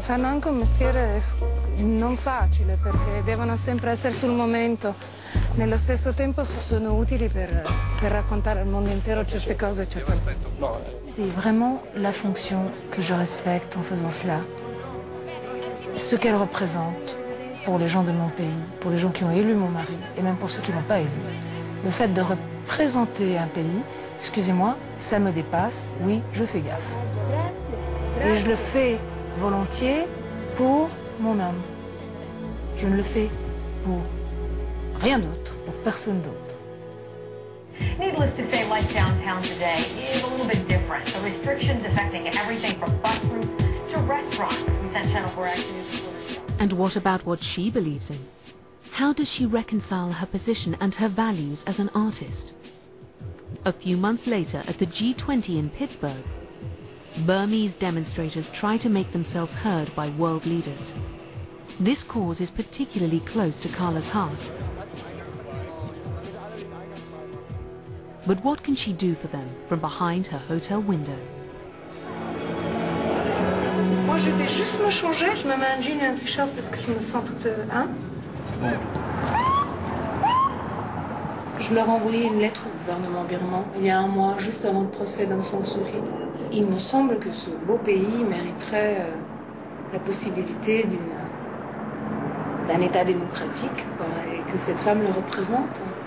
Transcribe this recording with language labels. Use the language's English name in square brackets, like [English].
[Italian] Fanno anche un mestiere non facile, perché devono sempre essere sul momento. Nello stesso tempo sono utili per raccontare al mondo intero certe cose. Certe... [French] Sì, vraiment la fonction che je respecte en faisant cela. Ce qu'elle représente pour les gens de mon pays, pour les gens qui ont élu mon mari, et même pour ceux qui ne l'ont pas élu. Le fait de représenter un pays, excusez-moi, ça me dépasse, oui, je fais gaffe. Et je le fais volontiers pour mon homme. Je ne le fais pour rien d'autre, pour personne d'autre. [English] Needless to say, life downtown today is a little bit different. The restrictions affecting everything from bus routes to restaurants. We sent Channel 4 Action News. And what about what she believes in? How does she reconcile her position and her values as an artist? A few months later, at the G20 in Pittsburgh, Burmese demonstrators try to make themselves heard by world leaders. This cause is particularly close to Carla's heart. But what can she do for them from behind her hotel window? [French] Moi, je vais juste me changer. Je me mets un jean et un t-shirt parce que je me sens toute Je leur ai envoyé une lettre au gouvernement birman il y a un mois, juste avant le procès d'Aung San Suu Kyi. Il me semble que ce beau pays mériterait la possibilité d'un état démocratique, quoi, et que cette femme le représente.